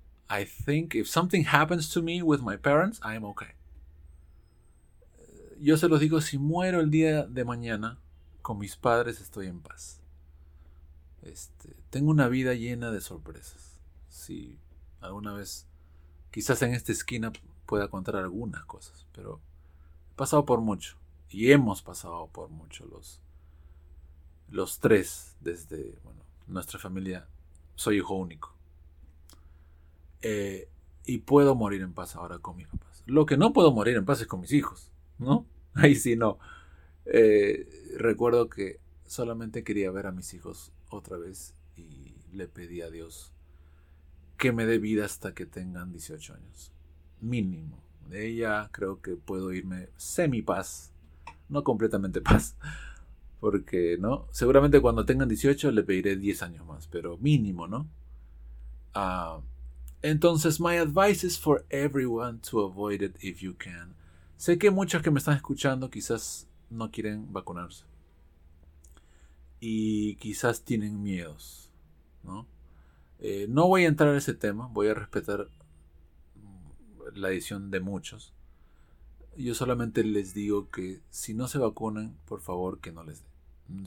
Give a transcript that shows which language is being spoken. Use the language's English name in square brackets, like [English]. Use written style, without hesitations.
[English] I think if something happens to me with my parents, I am okay. [Spanish] Yo se los digo, si muero el día de mañana con mis padres, estoy en paz. Tengo una vida llena de sorpresas. Si alguna vez, quizás en esta esquina pueda contar algunas cosas, pero he pasado por mucho y hemos pasado por mucho los tres desde, bueno, nuestra familia. Soy hijo único. Y puedo morir en paz ahora con mis papás. Lo que no puedo morir en paz es con mis hijos, ¿no? Ahí sí no. Recuerdo que solamente quería ver a mis hijos otra vez y le pedí a Dios que me dé vida hasta que tengan 18 años. Mínimo. De ella creo que puedo irme semi-paz. No completamente paz. Porque, ¿no? Seguramente cuando tengan 18 le pediré 10 años más. Pero mínimo, ¿no? [English] Entonces, my advice is for everyone to avoid it if you can. [Spanish] Sé que muchos que me están escuchando quizás no quieren vacunarse. Y quizás tienen miedos, ¿no? No voy a entrar en ese tema. Voy a respetar la decisión de muchos. Yo solamente les digo que si no se vacunan, por favor, que no les dé.